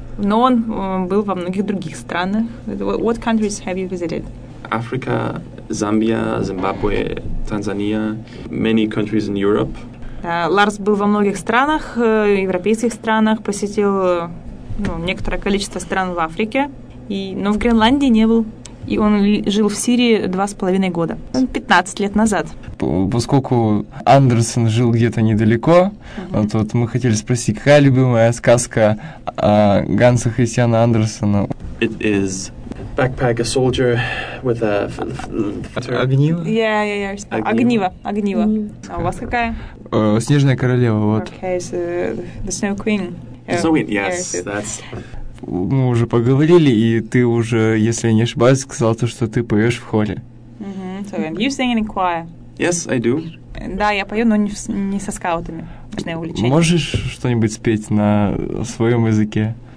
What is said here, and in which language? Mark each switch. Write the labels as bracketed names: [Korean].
[Russian] Но он был во многих других странах. [English] What countries have you visited? Africa, Zambia, Zimbabwe, Tanzania, many countries in Europe. [Russian] Ларс был во многих странах, европейских странах, посетил некоторое количество стран в Африке, но в Гренландии не был. И он жил в Сирии 2.5 года, 15 лет назад. Поскольку Андерсон жил где-то недалеко, вот мы хотели спросить, какая любимая сказка Ганса Христиана Андерсона? [English] It is backpack a soldier with a [Russian] огниво. Yeah. Огниво. А у вас какая? Снежная королева, вот. [English] Okay, so the Snow Queen. The Snow Queen, yes, that's. [Russian] Мы уже поговорили, и ты уже, если я не ошибаюсь, сказал то, что ты поешь в хоре. [English] Mm-hmm. So, you sing in choir? Yes, I do. [Russian] Да, я пою, но не со скаутами. Важное увлечение. Можешь что-нибудь спеть на своем языке?